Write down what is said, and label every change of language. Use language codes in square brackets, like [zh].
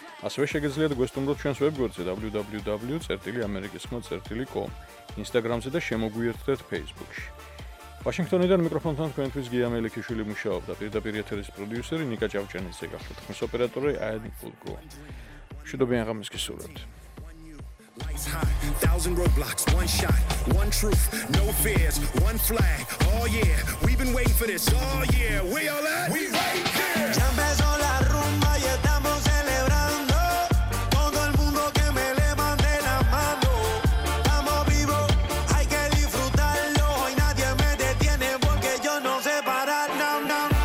[ka] ასევე შეგიძლიათ გვესტუმროთ ჩვენს ვებგვერდზე www.amerikeskhmo.com, ინსტაგრამზე და შემოგვიერთდეთ ფეისბუქში. ვაშინგტონიდან მიკროფონთან თქვენთვის გია მელიქიშვილი მუშაობდა, პირდაპირ ეთერის პროდიუსერი ნიკა ჭავჭანიძე გახლავთ, ხმის ოპერატორი აენ პულკო. მშვიდობიან ღამეს გისურვებთ. [en] Lights high, thousand roadblocks, one shot, one truth, no fears, one flag, oh yeah, we've been waiting for this, oh yeah, we all at, we right here. [es] Ya empezó la rumba y estamos celebrando, todo el mundo que me levante la mano, estamos vivos, hay que disfrutarlo, hoy nadie me detiene porque yo no sé parar, no, no.